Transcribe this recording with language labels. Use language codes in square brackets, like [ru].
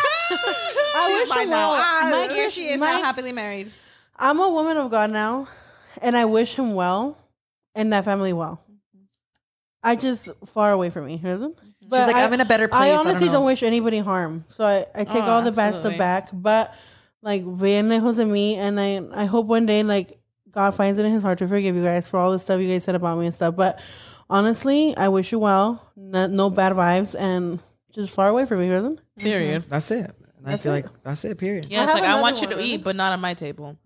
[en] I wish him well. Here she is now, happily married. I'm a woman of God now. And I wish him well. And that family well. I just... Far away from me, isn't it? But she's like, I'm in a better place. I honestly don't wish anybody harm. So I take all the bad stuff back. But like, [es] bien lejos de mí. [en] And I hope one day, like, God finds it in his heart to forgive you guys for all the stuff you guys said about me and stuff. But honestly, I wish you well. No bad vibes. And just far away from me, period. Mm-hmm. That's it. And I feel like that's it, period. Yeah, it's like, I want you to eat, but not on my table.